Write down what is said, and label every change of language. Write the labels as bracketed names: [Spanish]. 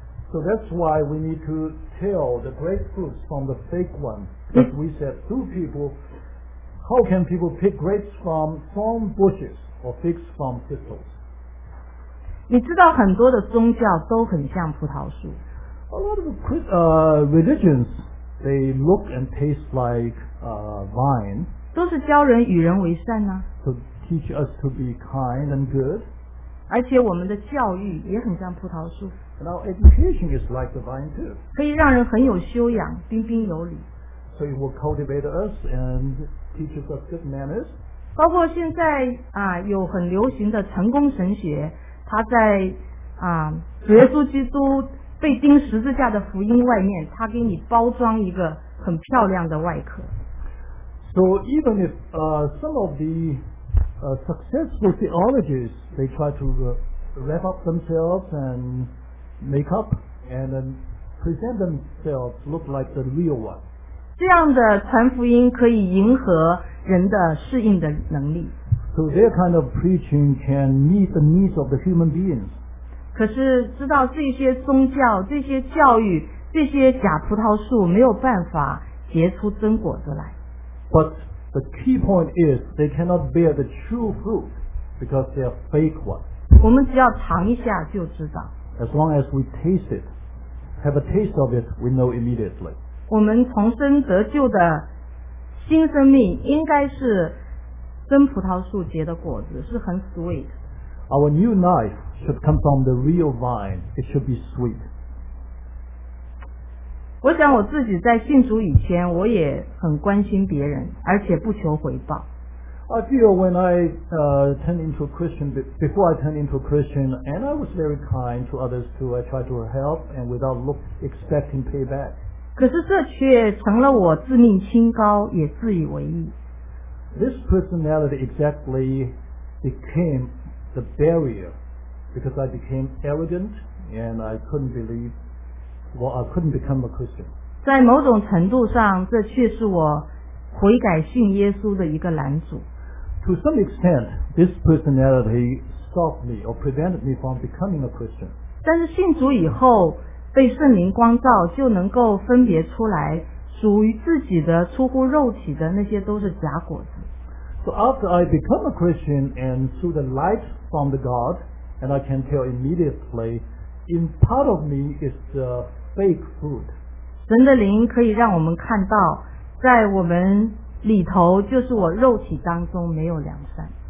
[English] So that's why we need to tell the grape fruits from the fake one. As we said, two people, how can people pick grapes from thorn bushes or figs from thistles? [Chinese] 你知道很多的宗教都很像葡萄树。 [English] A lot of religions, they look and taste like vine. [Chinese] 都是教人与人为善呢。 [English] To teach us to be kind and good. [Chinese] 而且我们的教育也很像葡萄树。 [English] And our education is like the vine too. [Chinese] 可以让人很有修养，彬彬有礼。 [English] So it will cultivate us and teach us good manners. [Chinese] 包括现在啊，有很流行的成功神学，它在啊，主耶稣基督被钉十字架的福音外面，它给你包装一个很漂亮的外壳。 [English] So even if some of the successful theologies, they try to wrap up themselves and make up and then present themselves look like the real one. [Chinese] 这样的传福音可以迎合人的适应的能力。 [English] So their kind of preaching can meet the needs of the human beings. [Chinese] 可是知道这些宗教、这些教育、这些假葡萄树没有办法结出真果子来。 [English] But,The key point is they cannot bear the true fruit because they are fake ones. [Chinese] 我们只要尝一下就知道。 [English] As long as we taste it, have a taste of it, we know immediately. [Chinese] 我们重生得救的新生命应该是真葡萄树结的果子，是很 sweet. [English] Our new life should come from the real vine. It should be sweet. [Chinese] 我想我自己在信主以前，我也很关心别人，而且不求回报。 [English] I feel when I turned into a Christian, before I turned into a Christian, and I was very kind to others too. I tried to help and without look expecting payback. [Chinese] 可是这却成了我自命清高，也自以为意。 [English] This personality exactly became the barrier because I became arrogant and I couldn't believe. Well, I couldn't become a Christian. [Chinese] 在某种程度上，这却是我悔改信耶稣的一个拦阻。 [English] To some extent, this personality stopped me or prevented me from becoming a Christian. [Chinese] 但是信主以后，被圣灵光照，就能够分别出来属于自己的、出乎肉体的那些都是假果子。 [English] So after I become a Christian and through the light from the God, and I can tell immediately. In part of me is the fake fruit. [Chinese] 神的灵可以让我们看到，在我们里头就是我肉体当中没有良善。